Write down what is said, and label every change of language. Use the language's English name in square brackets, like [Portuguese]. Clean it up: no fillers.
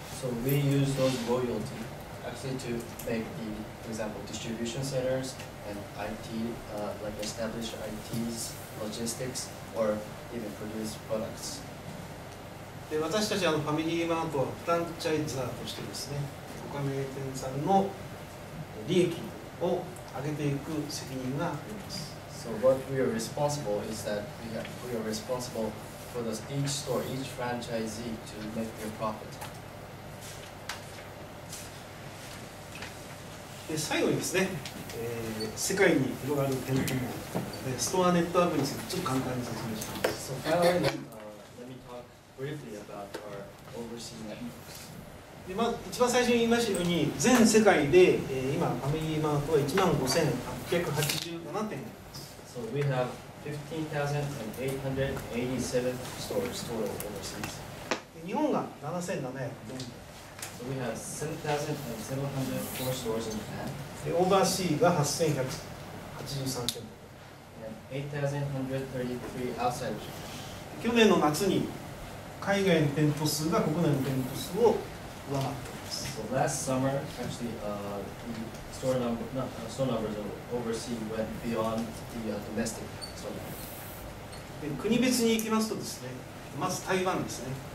[English] So we use those royalty actually to make the, for example, distribution centersand IT, like established IT's, logistics, or even produce products. [Japanese] で、私たちはファミリーマートはフランチャイザーとしてですね、ご加盟店さんの利益を上げていく責任があります。 [English] So what we are responsible is that we are responsible for the, each store, each franchisee to make their profit. [Japanese] で、最後にですね、世界に広がる店舗もストアネットワークについてちょっと簡単に説明します。 [English] So finally, let me talk briefly about our overseas networks. [Japanese] で、まあ、一番最初に言いましたように全世界で、今ファミリーマートは 15,887 店あります。 [English] So we have 15,887 stores total overseas. [Japanese] 日本が 7,704 [English] So we have 7,704 stores in Japan. The overseas [Japanese] が 8,183 店舗。 [English] 8,133 outside of Japan. [Japanese] 去年の夏に海外の店舗数が国内の店舗数を上回っています。 [English] So last summer, actually, the store number, not store numbers of overseas went beyond the domestic store numbers. [Japanese] 国別に行きますとですね、まず台湾ですね。